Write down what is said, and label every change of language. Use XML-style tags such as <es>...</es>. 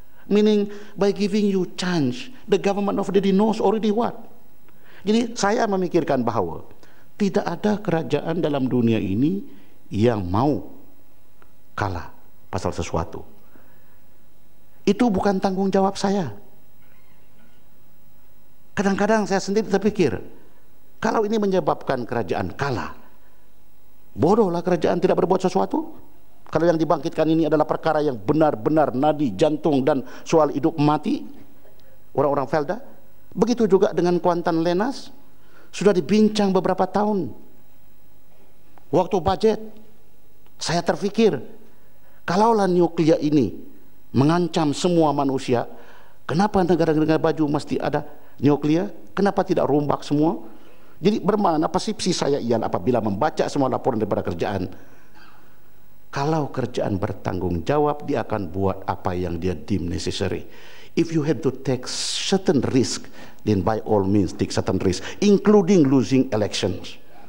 <en>Meaning by giving you chance, the government of the day knows already what.</en> <ms>Jadi saya memikirkan bahwa tidak ada kerajaan dalam dunia ini yang mau kalah pasal sesuatu. Itu bukan tanggung jawab saya. Kadang-kadang saya sendiri terpikir, kalau ini menyebabkan kerajaan kalah, bodohlah kerajaan tidak berbuat sesuatu. Kalau yang dibangkitkan ini adalah perkara yang benar-benar nadi, jantung dan soal hidup mati orang-orang Felda. Begitu juga dengan Kuantan Lenas, sudah dibincang beberapa tahun. Waktu budget, saya terfikir, kalaulah nuklear ini mengancam semua manusia, kenapa negara-negara baju mesti ada nuklear? Kenapa tidak rombak semua? Jadi bermakna persepsi saya ialah apabila membaca semua laporan daripada kerajaan, kalau kerajaan bertanggung jawab, dia akan buat apa yang dia</ms> <en>deem necessary. If you have to take certain risk, then by all means take certain risk, including losing elections.</en>